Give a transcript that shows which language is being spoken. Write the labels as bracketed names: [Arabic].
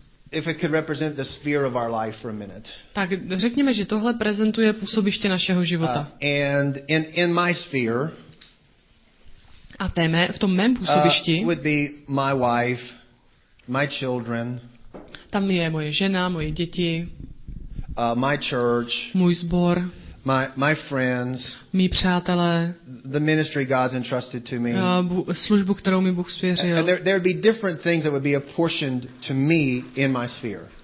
[English] If it could represent the sphere of our life for a minute. [Czech] Tak řekněme, že tohle prezentuje působiště našeho života. [English] And in my sphere. [Czech] A téme v tom mém působišti. [English] Would be my wife, my children. [Czech] Tam je moje žena, moje děti. [English] My church. [Czech] Můj sbor. [English] My friends. [Czech] Mí přátelé. [English] The ministry God's entrusted to me. [Czech] Službu, kterou mi Bůh svěřil. [English] There'd be different things that would be apportioned to me in my sphere.